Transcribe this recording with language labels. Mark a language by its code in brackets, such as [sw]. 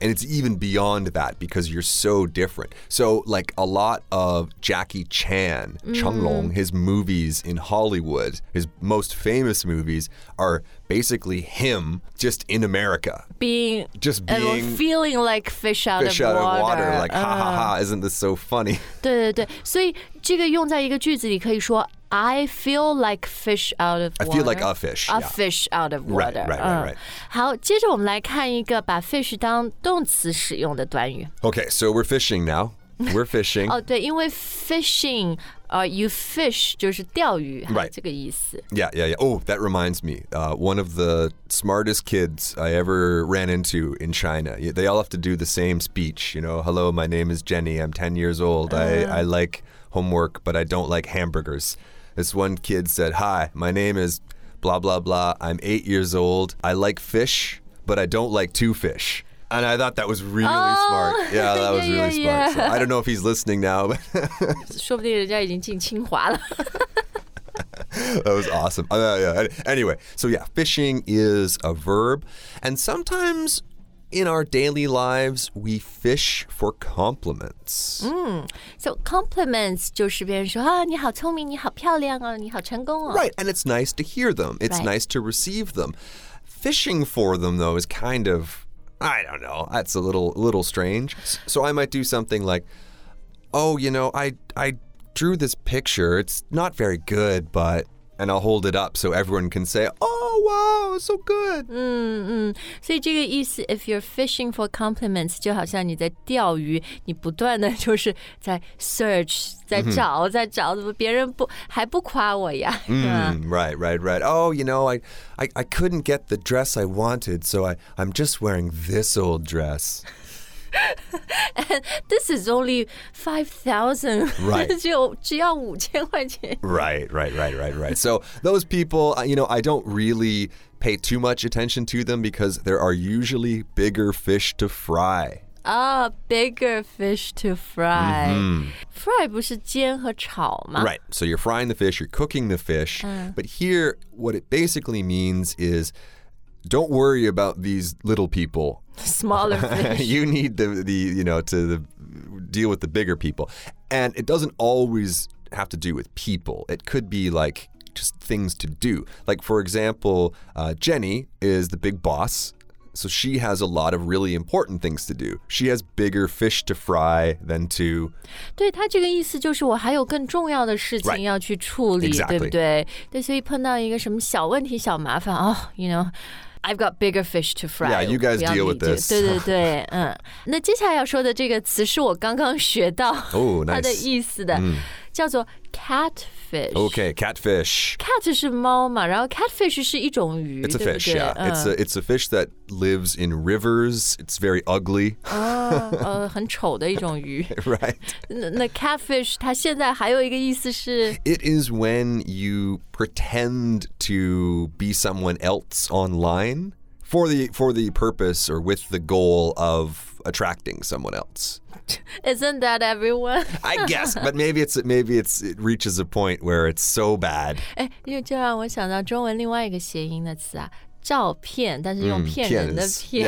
[en] And it's even beyond that because you're so different. So, like, a lot of Jackie Chan, Cheng Long, his movies in Hollywood, his most famous movies, are basically him just in America. Being feeling like fish out of water. Like, ha ha ha, isn't this so funny? [zh] 对，所以这个用在一个句子里可以说 [en] I feel like fish out of water. I feel like a fish. Fish out of water. Right. [zh] 好，接着我们来看一个把fish当动词使用的短语。 [en] Okay, so we're fishing now. We're fishing. [zh] 哦，对，因为fishing, [en] you fish [zh] 就是钓鱼, [en] right. [zh] 这个意思。 [en] Yeah. Oh, that reminds me. One of the smartest kids I ever ran into in China, they all have to do the same speech, you know, hello, my name is Jenny, I'm 10 years old, I like homework, but I don't like hamburgers. This one kid said, hi, my name is blah, blah, blah. I'm 8 years old. I like fish, but I don't like two fish. And I thought that was really smart. Yeah, that was really smart. Yeah. So I don't know if he's listening now. But [zh] 说不定人家已经进清华了。 [en] That was awesome. Anyway, so yeah, fishing is a verb. And sometimes in our daily lives, we fish for compliments. [zh] So compliments 就是别人说你好聪明，你好漂亮哦，你好成功哦。 [en] Right, and it's nice to hear them. It's right. nice to receive them. Fishing for them, though, is kind of, I don't know, that's a little strange. So I might do something like, oh, you know, I drew this picture. It's not very good, but, and I'll hold it up so everyone can say, oh, wow, so good. [zh] 所以这个意思, [en] if you're fishing for compliments, [zh] 就好像你在钓鱼, 你不断的就是在 search, 在找, 在找, 别人不, 还不夸我呀, [en] right. Oh, you know, I couldn't get the dress I wanted, so I'm just wearing this old dress. And this is only 5,000. Right. [zh] 只要5,000块钱. [en] Right. So those people, you know, I don't really pay too much attention to them because there are usually bigger fish to fry. Bigger fish to fry. Mm-hmm. [zh] Fry不是煎和炒吗? [en] Right. So you're frying the fish, you're cooking the fish. But here, what it basically means is don't worry about these little people. Smaller fish. You need the you know, to the, deal with the bigger people. And it doesn't always have to do with people. It could be like just things to do. Like, for example, Jenny is the big boss, so she has a lot of really important things to do. She has bigger fish to fry than to... [zh] 对，他这个意思就是我还有更重要的事情要去处理、 [en] right. exactly. [zh] 对不对？对，所以碰到一个什么小问题、小麻烦、 [en] oh, you know... I've got bigger fish to fry. Yeah, you guys deal with this. [zh] 对对对，嗯，那接下来要说的这个词是我刚刚学到，它的意思的，叫做 catfish. [en] Okay, catfish. [zh] Cat 是猫嘛，然后 catfish 是一种鱼，对不对？ [en] It's a fish, yeah. It's a fish that lives in rivers. It's very ugly. [zh] 很丑的一种鱼。 [en] Right. [zh] 那 catfish 它现在还有一个意思是 [en] It is when you pretend to be someone else online for the purpose or with the goal of attracting someone else. Isn't that everyone? I guess, but maybe it's it reaches a point where it's so bad. [zh] 哎，又就让我想到中文另外一个谐音的词啊，照片，但是用骗人的骗。